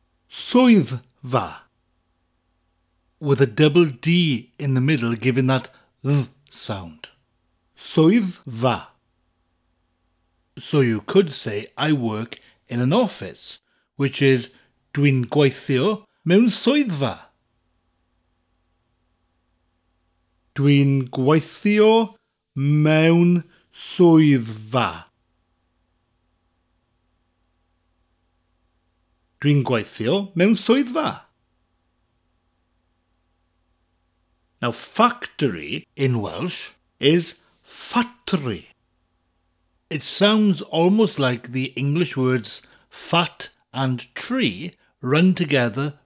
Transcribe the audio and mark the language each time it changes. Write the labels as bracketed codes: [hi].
[en] Swyddfa. With a double D in the middle, giving that th sound. Swyddfa. So you could say, I work in an office, which is [cy] Dwi'n gweithio mewn swyddfa. Dwi'n gweithio mewn swyddfa. Dwi'n gweithio mewn swyddfa. [en] Now, factory in Welsh is ffatri. It sounds almost like the English words fat and tree run together